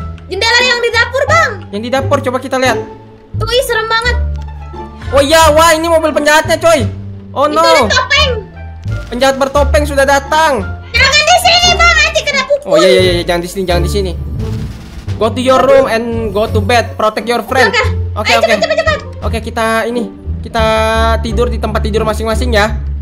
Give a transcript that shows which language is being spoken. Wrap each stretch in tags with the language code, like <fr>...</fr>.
<id>Jendela yang di dapur, Bang. Yang di dapur, coba kita lihat. Tuh, serem banget. Oh iya, wah, ini mobil penjahatnya, coy. Oh itu</id> <en>no.</en> <id>Itu ada topeng. Penjahat bertopeng sudah datang. Jangan di sini, Bang. Nanti kena pukul. Oh iya, jangan di sini.</id> <en>Go to your room and go to bed. Protect your friend.</en> <id>Oke. Cepat. Oke, kita tidur di tempat tidur masing-masing ya.</id>